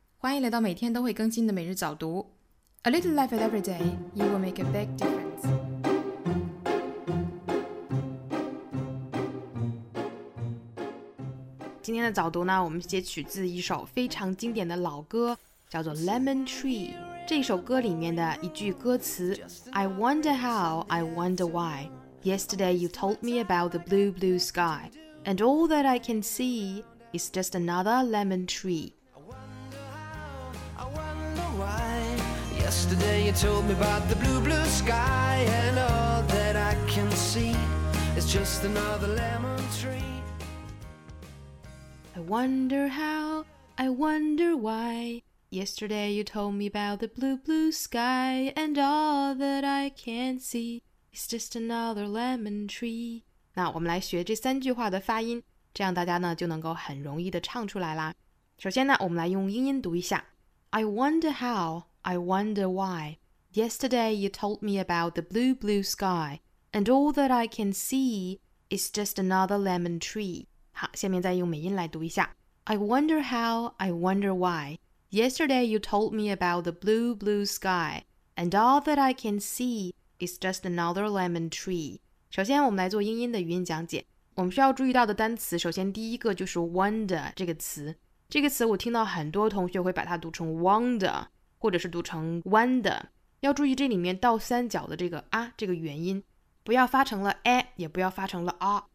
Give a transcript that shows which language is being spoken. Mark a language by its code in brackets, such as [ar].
[zh] 欢迎来到每天都会更新的每日早读。 [en] A little life at every day, you will make a big difference. [zh] 今天的早读呢，我们截取自一首非常经典的老歌，叫做 Lemon Tree。这首歌里面的一句歌词 [en] I wonder how, I wonder why. Yesterday you told me about the blue blue sky. And all that I can see... It's just another lemon tree. I wonder how, I wonder why. Yesterday you told me about the blue, blue sky. And all that I can see is just another lemon tree. I wonder how, I wonder why. Yesterday you told me about the blue, blue sky. And all that I can see is just another lemon tree. [zh] 那我们来学这三句话的发音。这样大家呢就能够很容易的唱出来啦。首先呢，我们来用英音读一下 ： [en] I wonder how, I wonder why. Yesterday you told me about the blue blue sky, and all that I can see is just another lemon tree. [zh] 好，下面再用美音来读一下 ： [en] I wonder how, I wonder why. Yesterday you told me about the blue blue sky, and all that I can see is just another lemon tree. [zh] 首先，我们来做英音的语音讲解。我们需要注意到的单词，首先第一个就是 wonder 这个词。这个词我听到很多同学会把它读成 wonder， 或者是读成 wonder。要注意这里面倒三角的这个啊这个元音，不要发成了 a， 也不要发成了 a。